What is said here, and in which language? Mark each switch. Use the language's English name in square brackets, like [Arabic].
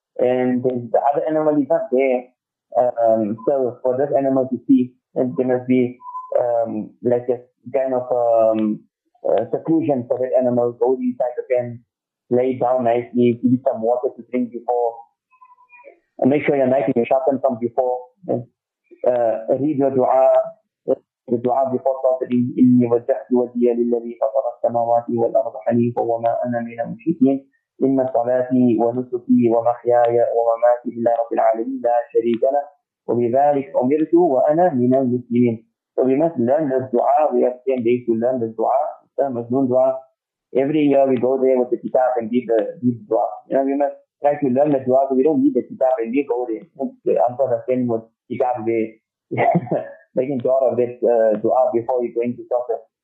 [English] And then the other animal is not there. So for this animal to see, and there must be like a kind of seclusion for that animal. Go inside the pen, lay down nicely, give it some water to drink before, and make sure your knife is sharpened from before. Read your dua, the dua before slaughtering. [Arabic] إِنِّي وَجَّهْتُ وَجْهِيَ لِلَّذِي فَطَرَ السَّمَاوَاتِ وَالْأَرْضَ حَنِيفًا وَمَا أَنَا مِنَ الْمُشْرِكِينَ إن صلاتي ونسكي ومحياي ومماتي لله رب العالمين لا شريك له وبذلك أمرت وأنا من المسلمين. [English] So we must learn this dua. We have 10 days to learn this dua. It's a Muslim dua. Every year we go there with the kitab and give the dua. You know, we must try to learn the dua, so we don't need the kitab and we go there. The answer the same with kitab there. Making sure of this dua before you go into Sasa.